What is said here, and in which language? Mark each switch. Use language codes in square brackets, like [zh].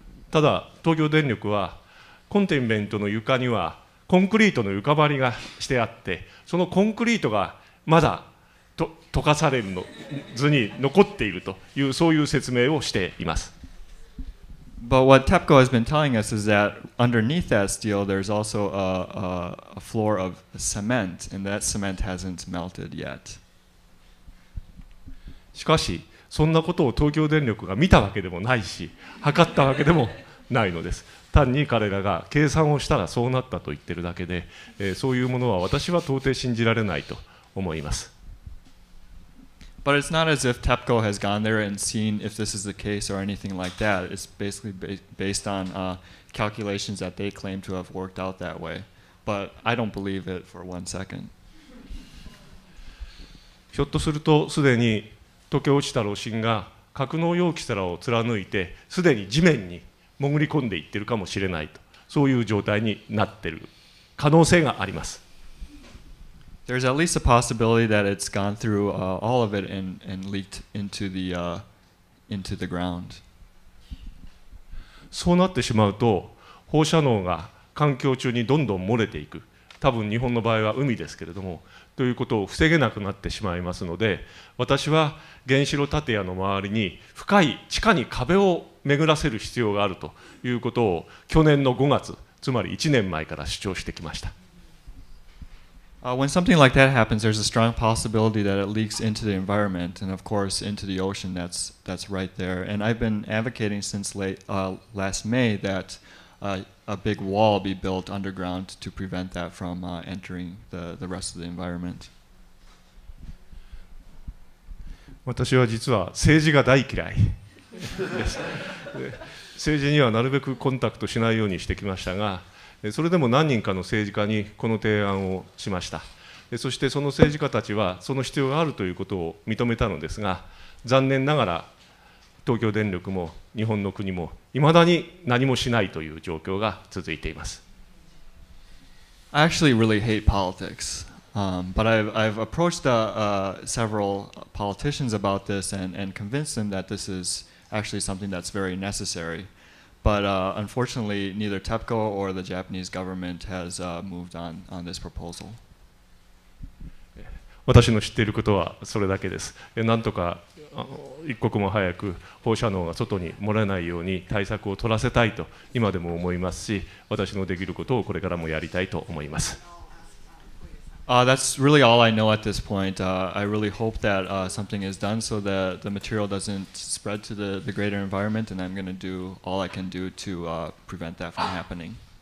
[ja] ただ東京電力はコンテインメントの床にはコンクリートの床張りがしてあって、そのコンクリートがまだ溶かされるの図に残っているというそういう説明をしています。 [en] But what Tepco has been telling us is that underneath that steel there's also a floor of cement and that cement hasn't melted yet. [ja] しかしそんなことを東京電力が見たわけでもないし測ったわけでもないのです。単に彼らが計算をしたらそうなったと言ってるだけで、そういうものは私は到底信じられないと思います。 [en] But it's not as if TEPCO has gone there and seen if this is the case or anything like that. It's basically based on calculations that they claim to have worked out that way. But I don't believe it for one second. [ja] ひょっとするとすでに溶け落ちた炉心が格納容器皿を貫いてすでに地面に潜り込んでいってるかもしれないと、そういう状態になってる可能性があります。 [en] There's at least a possibility that it's gone through all of it and leaked into the ground. [ja] そうなってしまうと放射能が環境中にどんどん漏れていく。多分日本の場合は海ですけれどもということを防げなくなってしまいますので、私は原子炉建屋の周りに深い地下に壁を巡らせる必要があるということを去年の5月、つまり1年前から主張してきました。 [en] When something like that happens, there's a strong possibility that it leaks into the environment and, of course, into the ocean that's right there. And I've been advocating since last May that a big wall be built underground to prevent that from entering the rest of the environment. [ja] 私は実は政治が大嫌いです。政治にはなるべくコンタクトしないようにしてきましたが、それでも何人かの政治家にこの提案をしました。そしてその政治家たちはその必要があるということを認めたのですが、残念ながら東京電力も日本の国も未だに何もしないという状況が続いています。 [en] I actually really hate politics. But I've approached several politicians about this and convinced them that this is actually something that's very necessary. But unfortunately, neither TEPCO or the Japanese government has moved on this proposal. [ja] 私の知っていることはそれだけです。なんとか一刻も早く放射能が外に漏れないように対策を取らせたいと今でも思いますし、私のできることをこれからもやりたいと思います。 [en] That's really all I know at this point. I really hope that something is done so that the material doesn't spread to the greater environment, and I'm going to do all I can do to prevent that from happening.